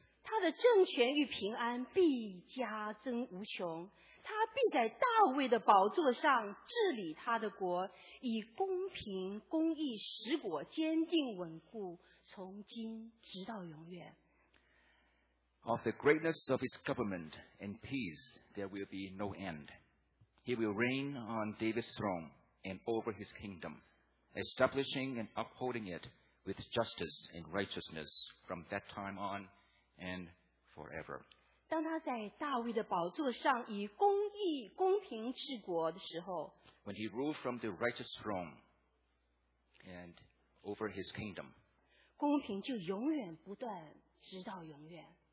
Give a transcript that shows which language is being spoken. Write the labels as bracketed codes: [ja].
[zh] 他的政权与平安必加增无穷。他必在大卫的宝座上治理他的国，以公平、公义、实果坚定稳固，从今直到永远。 [en] Of the greatness of his government and peace, there will be no end. He will reign on David's throne and over his kingdom, establishing and upholding it with justice and righteousness from that time on and forever. [zh] 当他在大卫的宝座上以公义、公平治国的时候, [en] when he ruled from the righteous throne and over his kingdom, [zh] 公平就永远不断，直到永远。